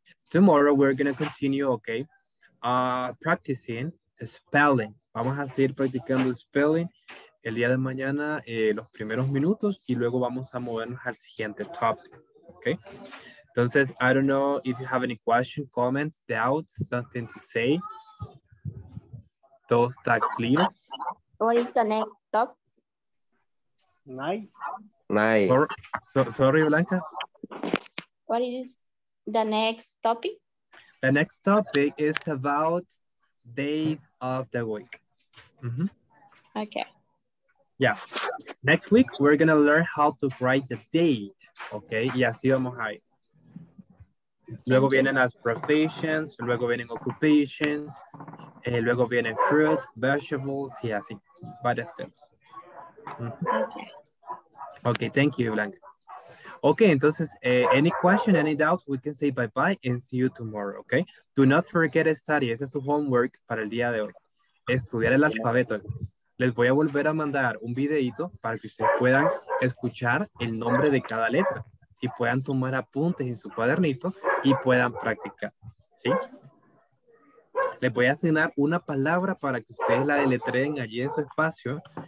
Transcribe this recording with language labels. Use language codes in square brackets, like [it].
[en] Tomorrow we're going to continue, ok, practicing spelling. [es] Vamos a seguir practicando spelling el día de mañana, los primeros minutos, y luego vamos a movernos al siguiente topic, ok? [en] Entonces, I don't know if you have any questions, comments, doubts, something to say. [es] ¿Todo está clear? [en] What is the name? Top. Night. Sorry, Blanca. What is the next topic? The next topic is about days of the week. Mm-hmm. Okay. Yeah. Next week, we're going to learn how to write the date. [es] Okay. Y así vamos a ir. Luego vienen las professions, luego vienen occupations, luego vienen fruit, vegetables, y así, varias temas. [en] Okay, thank you, Blanca. Okay, entonces, any question, any doubt, we can say bye-bye and see you tomorrow, okay? Do not forget to study, [es] ese es su homework para el día de hoy. Estudiar el alfabeto. Les voy a volver a mandar un videito para que ustedes puedan escuchar el nombre de cada letra. Y puedan tomar apuntes en su cuadernito y puedan practicar, ¿sí? Les voy a asignar una palabra para que ustedes la deletreen allí en su espacio